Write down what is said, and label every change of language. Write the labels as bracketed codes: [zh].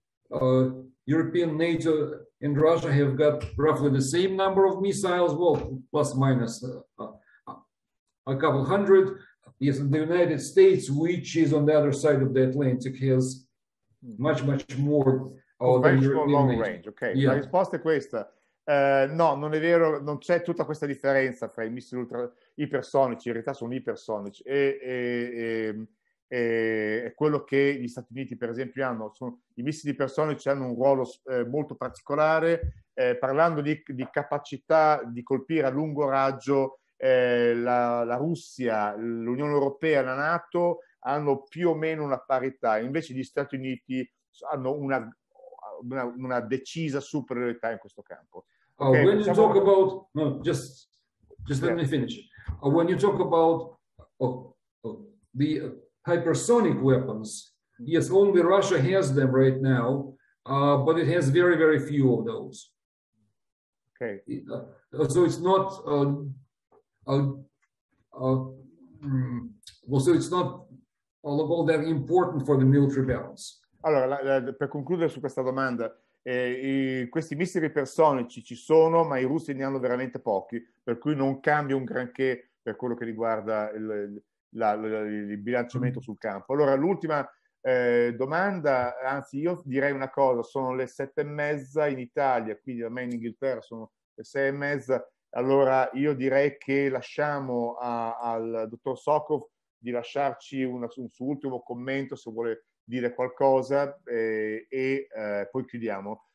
[en] European, NATO, and Russia have got roughly the same number of missiles, well, plus minus a couple hundred. Yes, the United States, which is on the other side of the Atlantic, has much, much more. [it] Okay. Yeah. La risposta è questa. No, non è vero, non c'è tutta questa differenza fra i missili ultra ipersonici, in realtà sono ipersonici, e quello che gli Stati Uniti, per esempio, hanno. Sono, i missili ipersonici hanno un ruolo molto particolare, parlando di capacità di colpire a lungo raggio, la Russia, l'Unione Europea, la NATO hanno più o meno una parità, invece gli Stati Uniti hanno una decisa superiorità in questo campo. [en] Okay, when you talk about let me finish. When you talk about the hypersonic weapons, yes, only Russia has them right now, but it has very, very few of those. Okay. So it's not so it's not all that important for the military balance. [it] Allora, per concludere su questa domanda, questi missili ipersonici ci sono, ma i russi ne hanno veramente pochi, per cui non cambia un granché per quello che riguarda il bilanciamento sul campo. Allora, l'ultima domanda, anzi, io direi una cosa, sono le 7:30 in Italia, quindi da me in Inghilterra sono le 6:30, allora io direi che lasciamo al dottor Sokov di lasciarci un suo ultimo commento, se vuole dire qualcosa, poi chiudiamo.